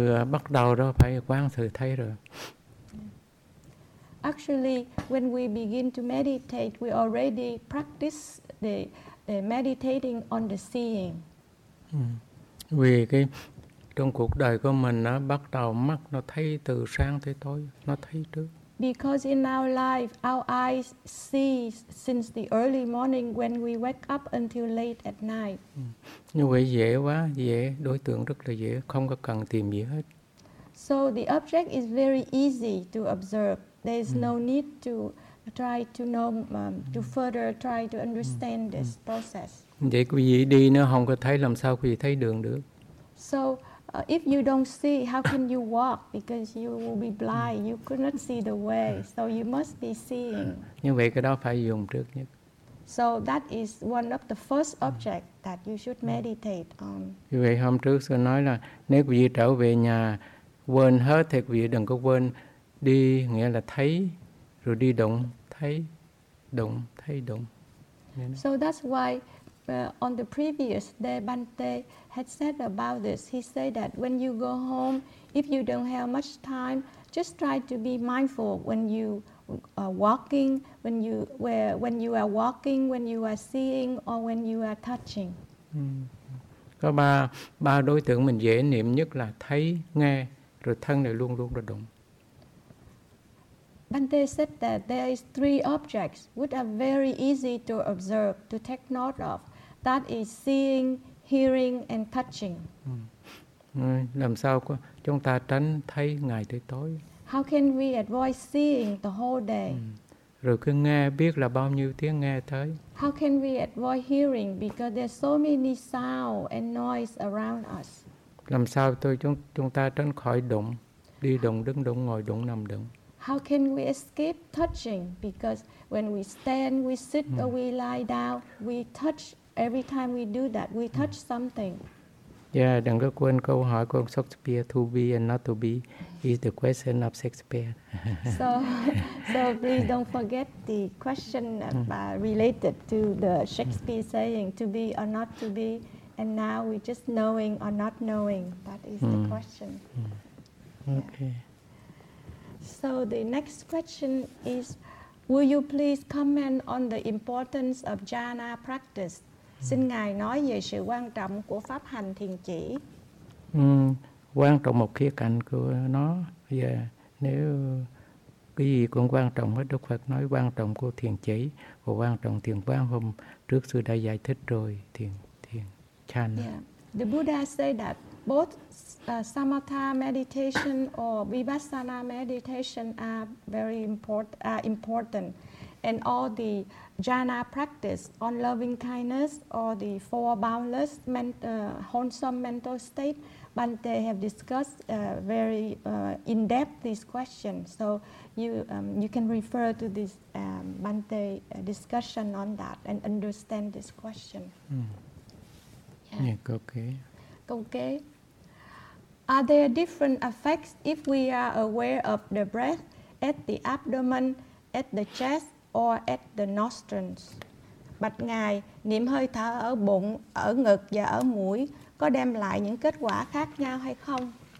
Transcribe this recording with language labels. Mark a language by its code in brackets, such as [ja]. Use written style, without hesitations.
[vi] Bắt đầu đó phải quán sự thấy rồi. [en] Actually, when we begin to meditate, we already practice the meditating on the seeing. [vi] Vì cái trong cuộc đời của mình nó bắt đầu mắt nó thấy từ sáng tới tối, nó thấy trước. [en] Because in our life, our eyes see since the early morning when we wake up until late at night. [vi] Như vậy dễ quá, dễ, đối tượng rất là dễ, không có cần tìm gì hết. [en] So the object is very easy to observe. There is no need to try to know, to further try to understand this process. [vi] Vậy quý vị đi nữa không có thấy, làm sao quý vị thấy đường được? [en] So, if you don't see, how can you walk? Because you will be blind, you could not see the way. So you must be seeing. [vi] Như vậy cái đó phải dùng trước nhất. [en] So that is one of the first object that you should meditate on. [vi] Như vậy hôm trước sư nói là nếu quý vị trở về nhà quên hết thì quý vị đừng có quên. Đi nghĩa là thấy, rồi đi động, thấy, động, thấy, động. [en] So that's why on the previous day, Bhante had said about this. He said that when you go home, if you don't have much time, just try to be mindful when you are walking, when you are walking, when you are seeing, or when you are touching. [vi] Có ba đối tượng mình dễ niệm nhất là thấy, nghe, rồi thân này luôn luôn là đụng. [en] Bhante said that there is three objects which are very easy to observe, to take note of. That is seeing, hearing, and touching. [vi] Làm sao có, chúng ta tránh thấy ngày tới tối? [en] How can we avoid seeing the whole day? [vi] Rồi cứ nghe biết là bao nhiêu tiếng nghe tới. [en] How can we avoid hearing because there's so many sound and noise around us? [vi] Làm sao chúng ta tránh khỏi đụng, đi đụng, đứng đụng, ngồi đụng, nằm đụng? [en] How can we escape touching? Because when we stand, we sit, or we lie down, we touch. Every time we do that, we touch something. Yeah, [vi] đừng có quên câu hỏi của Shakespeare, [en] to be and not to be is the question of Shakespeare. So please don't forget the question related to the Shakespeare saying, to be or not to be, and now we're just knowing or not knowing. That is the question. Okay. Yeah. So the next question is, will you please comment on the importance of jhana practice? [vi] Xin Ngài nói về sự quan trọng của pháp hành thiền chỉ. Quan trọng một khía cạnh của nó. Yeah. Nếu cái gì cũng quan trọng, Đức Phật nói quan trọng của thiền chỉ và quan trọng thiền quán. Hôm trước sư đã giải thích rồi, thiền jhana. [en] Yeah. The Buddha said that both samatha meditation or vipassana meditation are very important. And all the jhana practice on loving kindness or the four boundless wholesome mental state, Bhante have discussed very in depth this question. So you can refer to this Bhante discussion on that and understand this question. Okay. Are there different effects if we are aware of the breath at the abdomen, at the chest, or at the nostrils? [vi] Bạch Ngài, niệm hơi thở ở bụng, ở ngực và ở mũi có đem lại những kết quả khác nhau hay không?